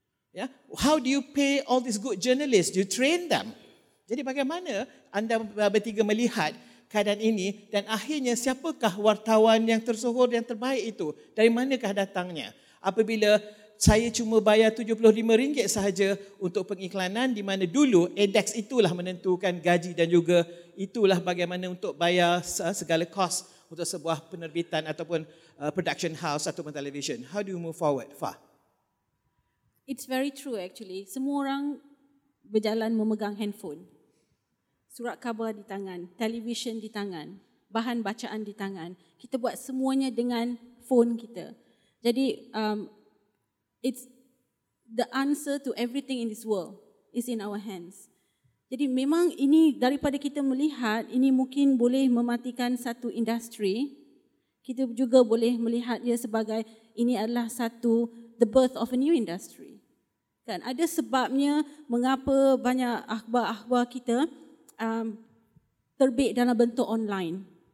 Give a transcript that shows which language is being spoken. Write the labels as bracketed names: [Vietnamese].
[English] Ya, how do you pay all these good journalists? Do you train them? [Malay] Jadi bagaimana anda bertiga melihat keadaan ini, dan akhirnya siapakah wartawan yang tersohor, yang terbaik itu? Dari manakah datangnya? Apabila saya cuma bayar RM75 sahaja untuk pengiklanan, di mana dulu edX itulah menentukan gaji dan juga itulah bagaimana untuk bayar segala kos untuk sebuah penerbitan ataupun production house ataupun television. [English] How do you move forward, Fah? It's very true actually. [Malay] Semua orang berjalan memegang handphone. Surat khabar di tangan, television di tangan, bahan bacaan di tangan. Kita buat semuanya dengan phone kita. [English] Jadi it's the answer to everything in this world is in our hands. [Malay] Jadi memang ini daripada kita melihat, ini mungkin boleh mematikan satu industri. Kita juga boleh melihat ia sebagai ini adalah satu [English] the birth of a new industry. [Malay] Kan ada sebabnya mengapa banyak akhbar-akhbar kita terbit dalam bentuk online.